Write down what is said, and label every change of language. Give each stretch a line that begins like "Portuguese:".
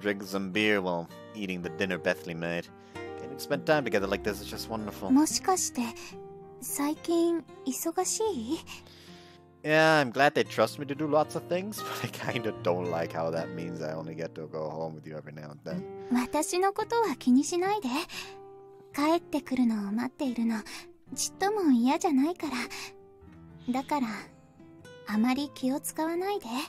English: Drink some beer while eating the dinner Bethly made. Spend time together like this is just wonderful.
Japanese: もしかして、最近忙しい?
English: Yeah, I'm glad they trust me to do lots of things, but I kinda don't like how that means I only get to go home with you every now and then.
Japanese: 私のことは気にしないで。帰ってくるのを待っているの、ちっとも嫌じゃないから。だから、あまり気を使わないで。